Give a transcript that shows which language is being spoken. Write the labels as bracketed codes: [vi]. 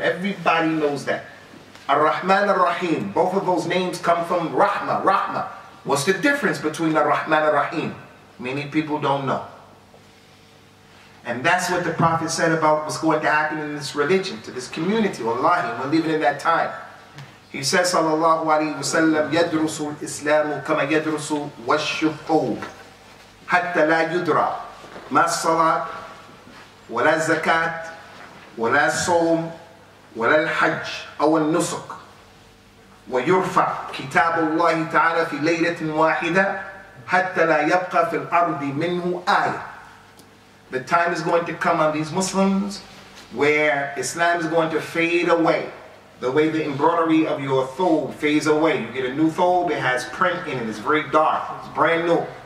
[en] Everybody knows that. Ar-Rahman ar-Rahim. Both of those names come from Rahmah, Rahmah. What's the difference between ar-Rahman ar-Rahim? Many people don't know. And that's what the Prophet said about what's going to happen in this religion, to this community, wallahi, we're living in that time. He says, [ar] sallallahu alayhi wa sallam, yadrusu al-Islamu kama yadrusu wa-shuhu hatta la yudra ma-salat ولا الزكاة ولا الصوم ولا الحج أو النسك ويرفع كتاب الله تعالى في ليلة واحدة حتى لا يبقى في الأرض منه آية. [en] The time is going to come on these Muslims where Islam is going to fade away. The way the embroidery of your thobe fades away. You get a new thobe, it has print in it, it's very dark, it's brand new.